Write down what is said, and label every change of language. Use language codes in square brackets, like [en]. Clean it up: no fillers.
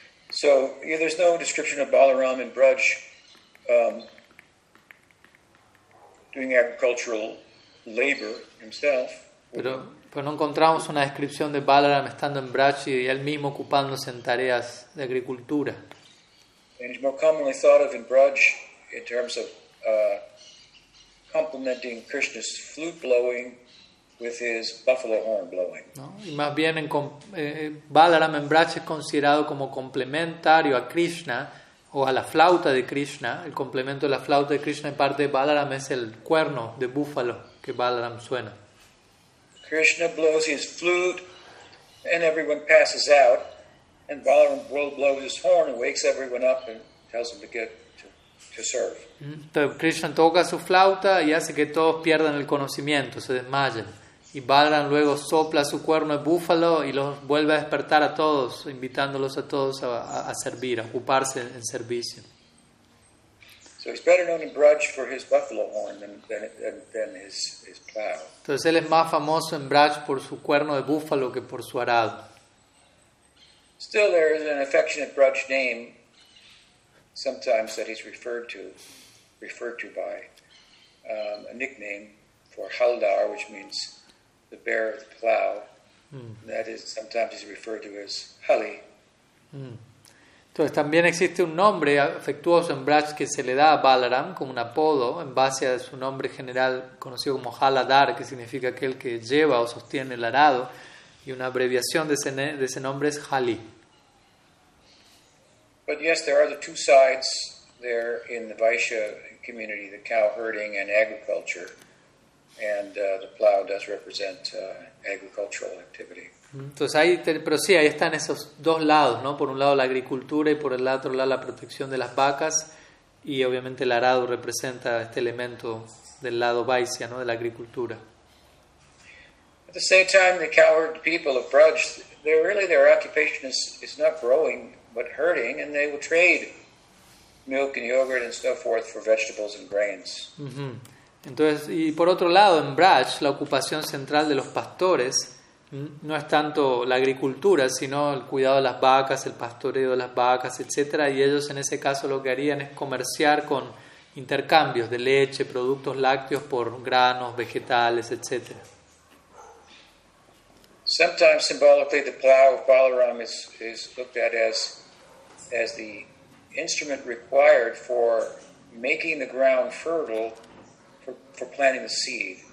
[en] So, yeah, there's no description of Balaram in Braj doing agricultural labor himself. [es] Pero no encontramos una descripción de Balaram estando en Braj y él mismo ocupándose en tareas de agricultura. [en] And he's more commonly thought of in Braj in terms of complementing Krishna's flute blowing with his buffalo horn blowing. [es] ¿No? Y más bien Balaram en Braj es considerado como complementario a Krishna o a la flauta de Krishna. El complemento de la flauta de Krishna en parte de Balaram es el cuerno de búfalo que Balaram suena. [en] Krishna blows his flute, and everyone passes out. And Balaram will blow his horn and wakes everyone up and tells them to get to serve. [es] Entonces, Krishna toca su flauta y hace que todos pierdan el conocimiento, se desmayen. Y Balaram luego sopla su cuerno de búfalo y los vuelve a despertar a todos, invitándolos a todos a servir, a ocuparse en servicio. [en] So he's better known in Braj for his buffalo horn than his plow. [es] Entonces él es más famoso en Braj por su cuerno de búfalo que por su arado. [en] Still, there is an affectionate Braj name sometimes that he's referred to by a nickname for Haldar, which means the bear of the plow. That is sometimes he's referred to as Hali. [es] Entonces también existe un nombre afectuoso en Braj que se le da a Balaram como un apodo en base a su nombre general conocido como Haladar, que significa aquel que lleva o sostiene el arado, y una abreviación de ese nombre es Hali. [en] But yes, there are the two sides there in the Vaishya community, the cow herding and agriculture, and the plow does represent agricultural activity. [es] Entonces ahí, pero sí, ahí están esos dos lados, ¿no? Por un lado la agricultura y por el otro lado la protección de las vacas, y obviamente el arado representa este elemento del lado Vaisya, ¿no? De la agricultura. [en] At the same time, the cowherd people of Braj, their occupation is not growing but herding, and they will trade milk and yogurt and so forth for vegetables and grains. [es] Entonces, y por otro lado, en Braj la ocupación central de los pastores no es tanto la agricultura, sino el cuidado de las vacas, el pastoreo de las vacas, etc. Y ellos en ese caso lo que harían es comerciar con intercambios de leche, productos lácteos por granos, vegetales, etc. [en] Sometimes symbolically the plow of Balaram is looked at as the instrument required for making the ground fertile for planting the seed.